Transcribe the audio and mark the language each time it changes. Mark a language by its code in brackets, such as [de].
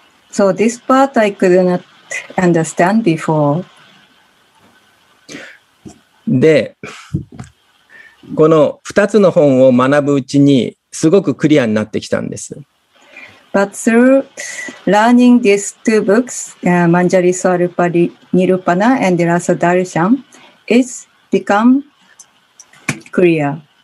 [en] So this part I could not understand before. [ja] で、この2つの本を学ぶうちにすごくクリアになってきたんです。 [en] But through learning these two books, Manjari Swarupa Nirupana and Rasa Darshan, it's become clear.